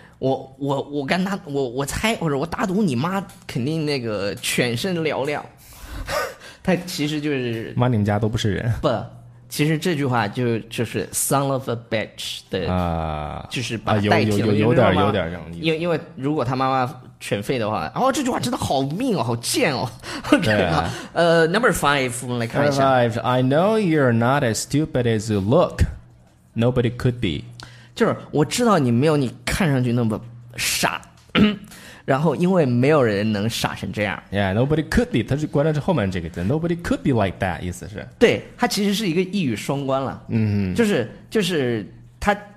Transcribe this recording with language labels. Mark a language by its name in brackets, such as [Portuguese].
[Chinese] 我跟他我猜或者我打赌你妈肯定那个犬声嘹亮，他其实就是妈你们家都不是人。不，其实这句话就是 [English] son of a bitch [Chinese] 的啊，就是把代替了、啊、有点这种意思。因为如果他妈妈犬吠的话，哦，这句话真的好命哦，好贱哦。 [English] OK， number five， [Chinese] 我们来看一下。 [English] Number five， I know you're not as stupid as you look. Nobody could be。 [Chinese] 就是我知道你没有你看上去那么傻，然后因为没有人能傻成这样。 [English] Yeah, nobody could be. [Chinese] 他是关键是后面这个字 [English] ，nobody could be like that， [Chinese] 意思是？对，他其实是一个一语双关了。嗯，就是他，